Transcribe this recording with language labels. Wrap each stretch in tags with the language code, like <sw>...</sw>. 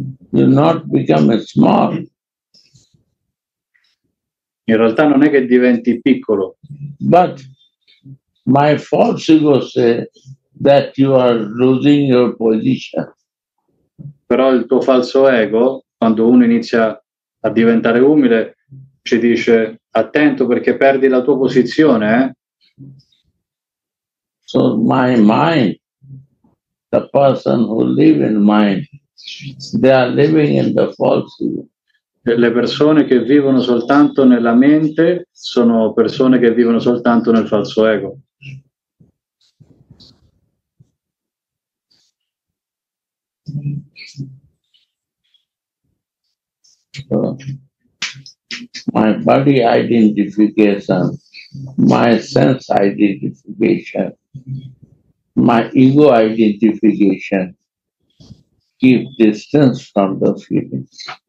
<en>You not become small.</en> <it>In realtà non è che diventi piccolo.</it> <en>But my false ego say that you are losing your position.</en> <it>Però il tuo falso ego, quando uno inizia a diventare umile, ci dice attento perché perdi la tua posizione, eh?</it> <en>So my mind, the person who live in mind, they are living in the false ego.</en> <it>Le persone che vivono soltanto nella mente sono persone che vivono soltanto nel falso ego.</it> <en>So, my body identification, my sense identification, my ego identification keep distance from the feelings.</en>